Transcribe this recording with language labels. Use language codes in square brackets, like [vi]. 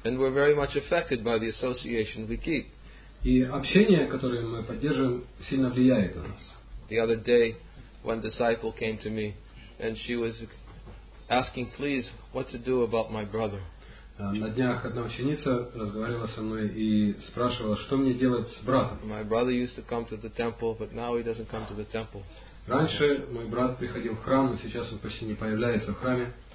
[en] And we're very much affected by the association we keep. [ru] И общение, которое мы поддерживаем, сильно влияет на нас. [en] The other day, one disciple came to me, and she was asking, please, what to do about my brother. [ru] На днях одна ученица разговаривала со мной и спрашивала, что мне делать с братом. [en] My brother used to come to the temple, but now he doesn't come to the temple. [ru] Раньше мой брат приходил в храм, но сейчас он почти не появляется в храме.